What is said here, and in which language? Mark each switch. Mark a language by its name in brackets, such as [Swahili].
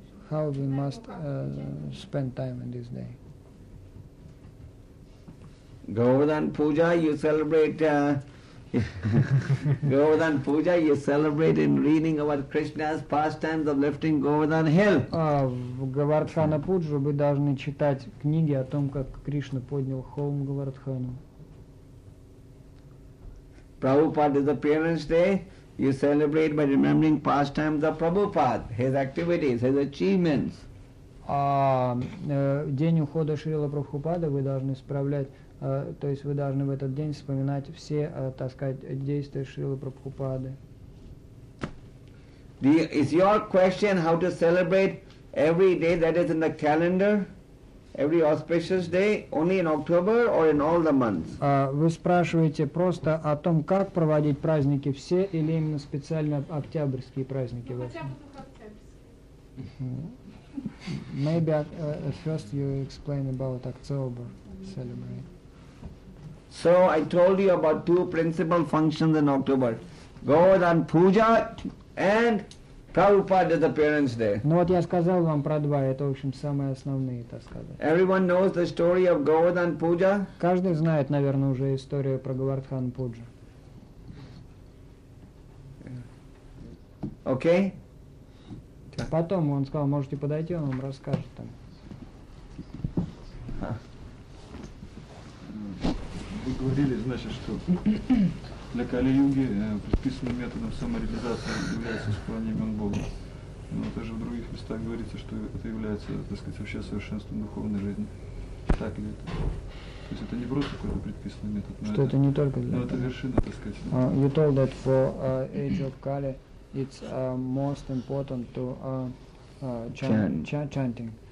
[English] How we must spend time in this day? Govardhan Puja, you celebrate. Govardhan Puja, you celebrate in reading about Krishna's pastimes of lifting Govardhan Hill. [Russian] В Говардхана Пуджу вы должны читать книги о том, как Кришна поднял холм Говардхану. [English] Prabhupada's appearance day, you celebrate by remembering pastimes of Prabhupada, his activities, his achievements. [Russian] А день ухода Шрилы Прабхупады вы должны справлять. То есть вы должны в этот день вспоминать все, так сказать, действия Шрилы Прабхупады. [English] Is your question how to celebrate every day that is in the calendar, every auspicious day, only in October or in all the months? [Russian] Вы спрашиваете просто о том, как проводить праздники все или именно специально октябрьские праздники? Хотя бы только октябрьские. [English] Maybe first you explain about October celebrate. So I told you about two principal functions in October, Govardhan Puja and Prabhupada is appearance there. [Russian] Ну вот я сказал вам про два, это в общем самые основные, так сказать. [English] Everyone knows the story of Govardhan Puja. [Russian] Каждый знает, наверное, уже историю про Говардхан Пуджа. Окей. Потом он сказал, можете подойти, он вам расскажет там. Вы говорили, значит, что для Кали-юги предписанным методом самореализации является склонение имен Бога. Но даже в других местах говорится, что это является, так сказать, вообще совершенством духовной жизни. Так ли это? То есть это не просто какой-то предписанный метод, но что это не только для. Но это вершина, так сказать. [English] You told that for age of Kali it's most important to chanting.